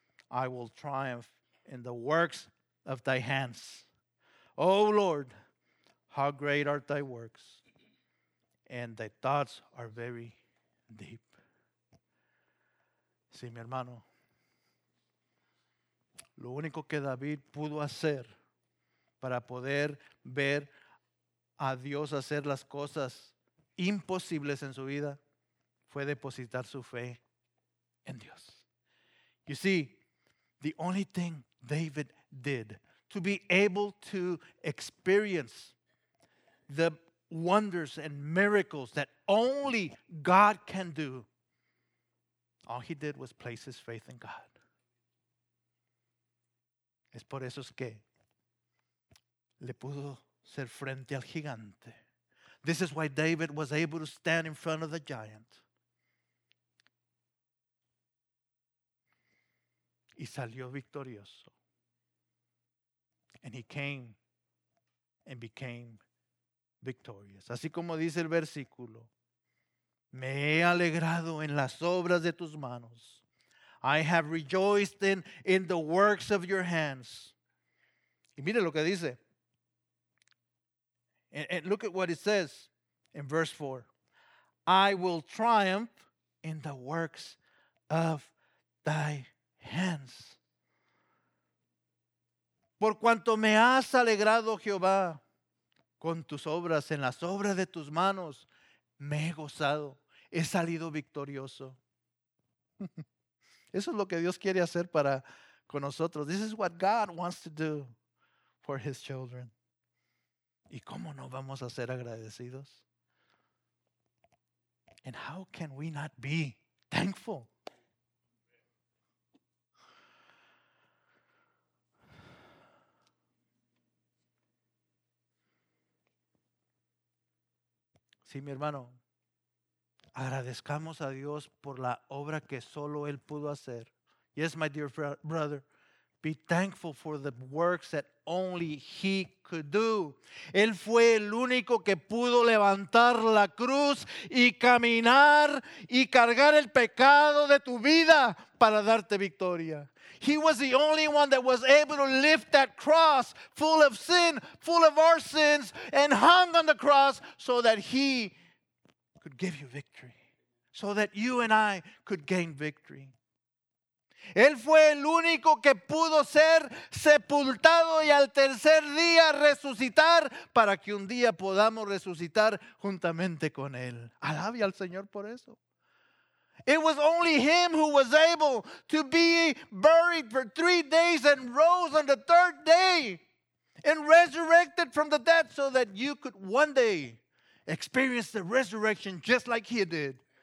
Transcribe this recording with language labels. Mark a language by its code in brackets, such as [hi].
[en] I will triumph in the works of thy hands. Oh Lord, how great are thy works, and thy thoughts are very deep. [es] Sí, mi hermano. Lo único que David pudo hacer para poder ver a Dios hacer las cosas imposibles en su vida fue depositar su fe en Dios. [en] You see, the only thing David did to be able to experience the wonders and miracles that only God can do, all he did was place his faith in God. [es] Es por eso es que le pudo ser frente al gigante. [en] This is why David was able to stand in front of the giant. [es] Y salió victorioso. [en] And he came and became victorious. [es] Así como dice el versículo, me he alegrado en las obras de tus manos. [en] I have rejoiced in the works of your hands. [es] Y mire lo que dice. [en] And look at what it says in verse 4. I will triumph in the works of thy hands. [es] Por cuanto me has alegrado, Jehová, con tus obras, en las obras de tus manos, me he gozado, he salido victorioso. Eso es lo que Dios quiere hacer para con nosotros. [en] This is what God wants to do for his children. [es] ¿Y cómo no vamos a ser agradecidos? [en] And how can we not be thankful? [es] Sí, mi hermano, agradezcamos a Dios por la obra que solo Él pudo hacer. [en] Yes, my dear brother, be thankful for the works that only He could do. [es] Él fue el único que pudo levantar la cruz y caminar y cargar el pecado de tu vida para darte victoria. [en] He was the only one that was able to lift that cross full of sin, full of our sins, and hung on the cross so that He could give you victory, so that you and I could gain victory. [es] Él fue el único que pudo ser sepultado y al tercer día resucitar para que un día podamos resucitar juntamente con Él. Alabe al Señor por eso. [en] It was only Him who was able to be buried for 3 days and rose on the third day and resurrected from the dead so that you could one day experience the resurrection just like He did.